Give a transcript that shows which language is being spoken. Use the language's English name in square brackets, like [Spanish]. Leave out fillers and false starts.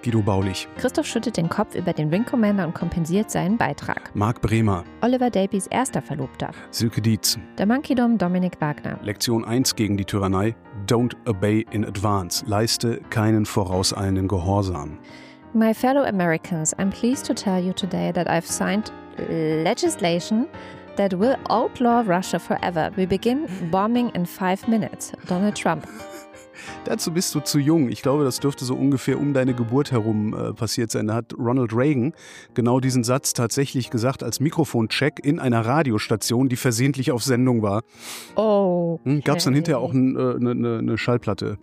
[German] Guido Baulich. Christoph schüttet den Kopf über den Wing Commander und kompensiert seinen Beitrag. Marc Bremer. Oliver Dalbys erster Verlobter. Silke Dietz. Der Monkey Dom Dominik Wagner. Lektion 1 gegen die Tyrannei. [English] Don't obey in advance. [German] Leiste keinen vorauseilenden Gehorsam. [English] My fellow Americans, I'm pleased to tell you today that I've signed legislation that will outlaw Russia forever. We begin bombing in 5 minutes. Donald Trump. [German] Dazu bist du zu jung. Ich glaube, das dürfte so ungefähr um deine Geburt herum passiert sein. Da hat Ronald Reagan genau diesen Satz tatsächlich gesagt als Mikrofoncheck in einer Radiostation, die versehentlich auf Sendung war. Oh. Okay. Gab es dann hinterher auch eine Schallplatte.